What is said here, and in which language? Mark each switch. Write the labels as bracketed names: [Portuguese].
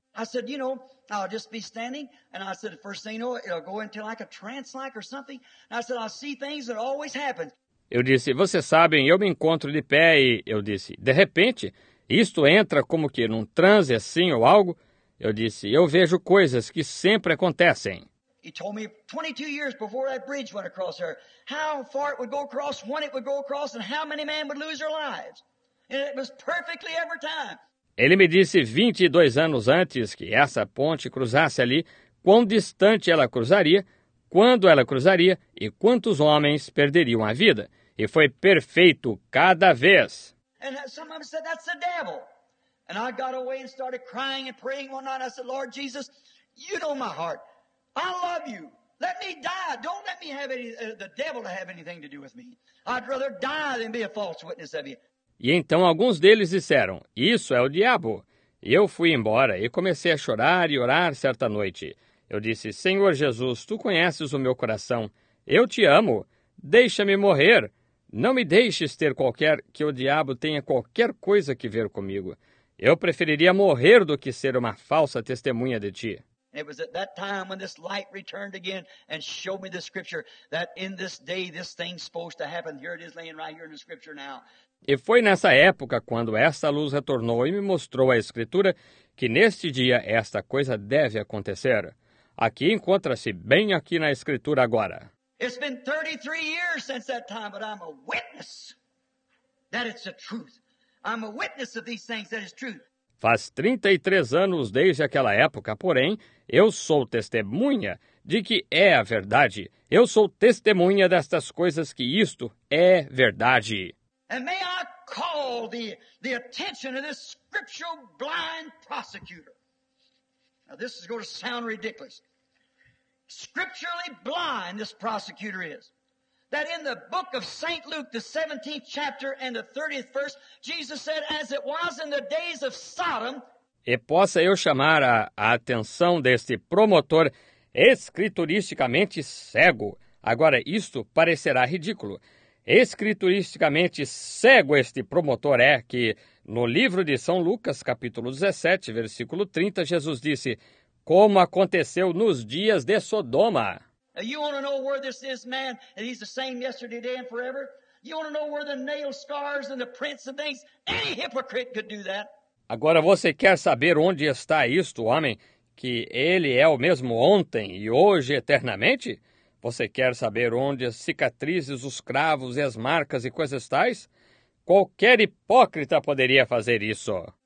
[English] I said, you know, I'll just be standing, and I said, the first thing you know, it'll go into like a trance-like or something. And I said, I'll see things that always happen. [Portuguese] Eu disse, vocês sabem, eu me encontro de pé, e eu disse, de repente, isto entra como que num transe assim ou algo. Eu disse, eu vejo coisas que sempre acontecem. [English] He told me 22 years before that bridge went across there, how far it would go across, when it would go across, and how many men would lose their lives. And it was perfectly every time. [Portuguese] Ele me disse 22 anos antes que essa ponte cruzasse ali, quão distante ela cruzaria, quando ela cruzaria e quantos homens perderiam a vida. E foi perfeito cada vez. [English] And some of them said, that's the devil. And I got away and started crying and praying one night. I said, Lord Jesus, you know my heart. I love you. Let me die. Don't let me have any, the devil to have anything to do with me. I'd rather die than be a false witness of you. [Portuguese] E então alguns deles disseram, isso é o diabo. Eu fui embora e comecei a chorar e orar certa noite. Eu disse, Senhor Jesus, tu conheces o meu coração. Eu te amo. Deixa-me morrer. Não me deixes ter qualquer que o diabo tenha qualquer coisa que ver comigo. Eu preferiria morrer do que ser uma falsa testemunha de ti. [English] It was at that time when this light returned again and showed me the scripture that in this day this thing's supposed to happen. Here it is laying right here in the scripture now. [Portuguese] E foi nessa época, quando essa luz retornou e me mostrou a Escritura, que neste dia esta coisa deve acontecer. Aqui encontra-se bem aqui na Escritura agora. [English] It's been 33 years since that time, but I'm a witness that it's the truth. I'm a witness of these things that is truth. [Portuguese] Faz 33 anos desde aquela época, porém, eu sou testemunha de que é a verdade. Eu sou testemunha destas coisas que isto é verdade. [English] And may I call the attention of this scriptural blind prosecutor. Now this is going to sound ridiculous. Scripturally blind this prosecutor is. That in the book of St. Luke, the 17th chapter and the 30th verse, Jesus said, as it was in the days of Sodom. [Portuguese] E possa eu chamar a atenção deste promotor escrituristicamente cego. Agora isto parecerá ridículo. Escrituristicamente cego este promotor é que, no livro de São Lucas, capítulo 17, versículo 30, Jesus disse, como aconteceu nos dias de Sodoma. [English] You want to know where this is, man, and he's the same yesterday, day, and forever? You want to know where the nail scars and the prints and things? Any hypocrite could do that. [Portuguese] Agora, você quer saber onde está isto, homem, que ele é o mesmo ontem e hoje eternamente? Você quer saber onde as cicatrizes, os cravos e as marcas e coisas tais? Qualquer hipócrita poderia fazer isso.